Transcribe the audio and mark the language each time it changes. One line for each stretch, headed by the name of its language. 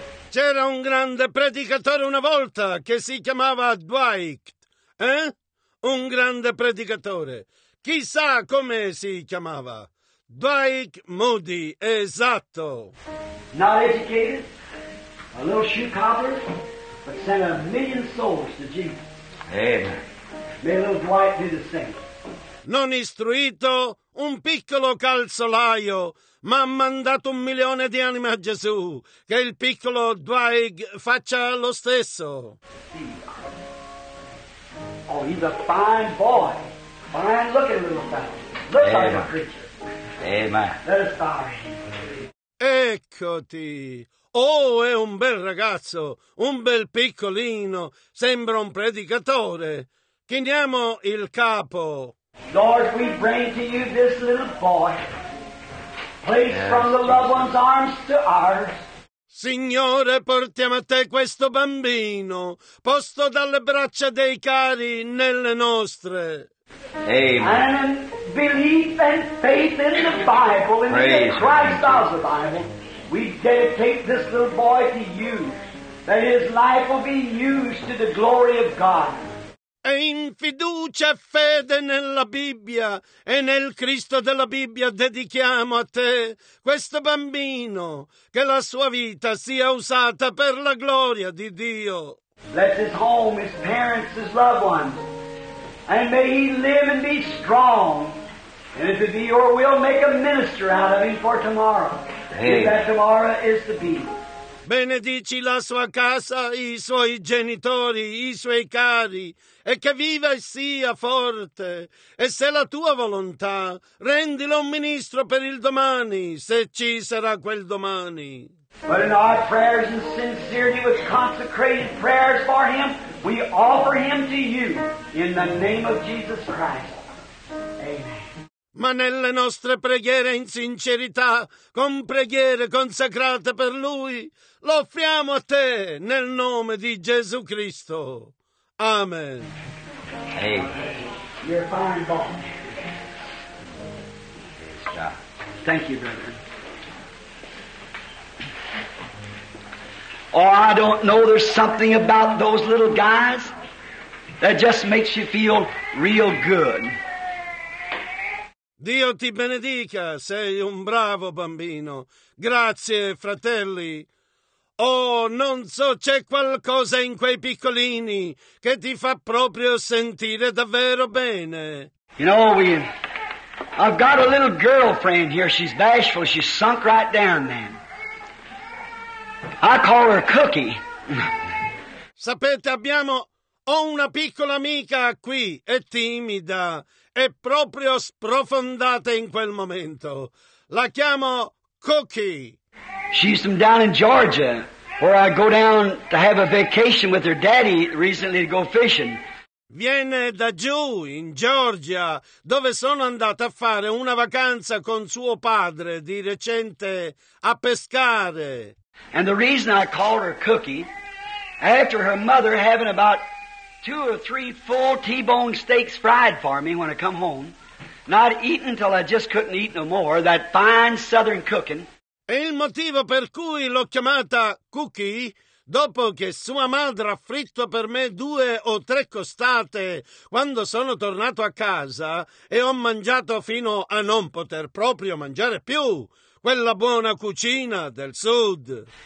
Italian: C'era un grande predicatore una volta che si chiamava Dwight, eh? Un grande predicatore. Chissà come si chiamava. Dwight Moody, esatto.
English: Not educated, a little shoe cobbler, but sent a million souls to Jesus. Amen. May little Dwight do the same.
Italian: Non istruito, un piccolo calzolaio, ma ha mandato un milione di anime a Gesù. Che il piccolo Dwight faccia lo stesso.
English: Oh, he's a fine boy. Fine looking little fellow. Look like a creature. Amen. Let us bow our hands.
Italian: Eccoti. Oh, è un bel ragazzo, un bel piccolino. Sembra un predicatore. Chiniamo il capo.
English: Lord, we bring to you this little boy. Placed from the loved one's arms to ours.
Italian: Signore, portiamo a te questo bambino, posto dalle braccia dei cari nelle nostre. Amen.
English: And belief and faith in the Bible, in Praise the Christ of the Bible, we dedicate this little boy to you, that his life will be used to the glory of God.
Italian: E in fiducia e fede nella Bibbia e nel Cristo della Bibbia dedichiamo a te questo bambino, che la sua vita sia usata per la gloria di Dio.
English: Bless his home, his parents, his loved ones, and may he live and be strong, and if it be your will, make a minister out of him for tomorrow, if that tomorrow is to be.
Italian: Benedici la sua casa, i suoi genitori, i suoi cari, e che viva e sia forte. E se la tua volontà, rendilo un ministro per il domani, se ci sarà quel domani.
English: But in our prayers and sincerity with consecrated prayers for him, we offer him to you in the name of Jesus Christ. Amen.
Italian: Ma nelle nostre preghiere in sincerità, con preghiere consacrate per lui, lo offriamo a te nel nome di Gesù Cristo. Amen.
English: Hey. You're fine, Bob. Thank you, brother. Oh, I don't know, there's something about those little guys that just makes you feel real good.
Italian: Dio ti benedica, sei un bravo bambino. Grazie, fratelli. Oh, non so, c'è qualcosa in quei piccolini che ti fa proprio sentire davvero bene.
English: You know, I've got a little girlfriend here. She's bashful. She's sunk right down, man. I call her Cookie.
Italian: Sapete, ho una piccola amica qui, è timida. È proprio sprofondata in quel momento. La chiamo Cookie.
English: She's from down in Georgia, where I go down to have a vacation with her daddy recently to go fishing.
Italian: Viene da giù, in Georgia, dove sono andata a fare una vacanza con suo padre di recente a pescare.
English: And the reason I called her Cookie, after her mother having about 2 or 3 full T-bone steaks fried for me when I come home, not eating till I just couldn't eat no more, that fine southern cooking.
Italian: E il motivo per cui l'ho chiamata Cookie, dopo che sua madre ha fritto per me 2 o 3 costate quando sono tornato a casa e ho mangiato fino a non poter proprio mangiare più, quella buona cucina del sud.